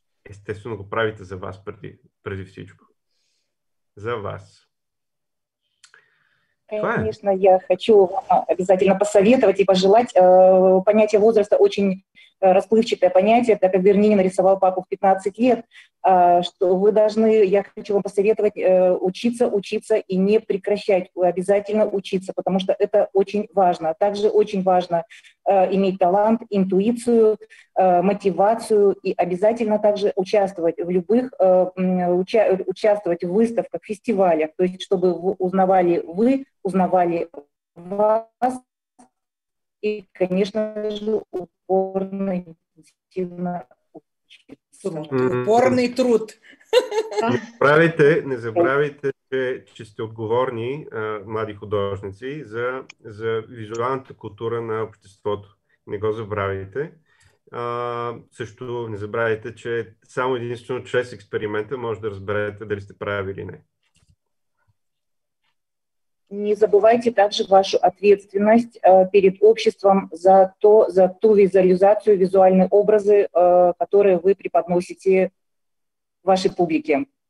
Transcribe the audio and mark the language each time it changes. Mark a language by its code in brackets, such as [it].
[bg] Естествено, го правите за вас преди всичко. За вас. [ru] Конечно, я хочу вам обязательно посоветовать и пожелать. Понятие возраста очень расплывчатое понятие, так как Бернини нарисовал папу в 15 лет, что вы должны, я хочу вам посоветовать учиться и не прекращать, обязательно учиться, потому что это очень важно. Также очень важно иметь талант, интуицию, мотивацию и обязательно также участвовать в любых, участвовать в выставках, фестивалях, то есть чтобы узнавали вас. И, конечно же, упорно и интенсивно учиться. Упорный труд. [bg] Не забравяйте, че сте отговорни, млади художници, за визуалната култура на обществото. Не го забравяйте. Също не забравяйте, че само единствено чрез експеримента може да разберете дали сте прави или не. [ru] Не забывайте также вашу ответственность перед обществом за ту визуализацию, визуальные образы, которые вы преподносите вашей публике.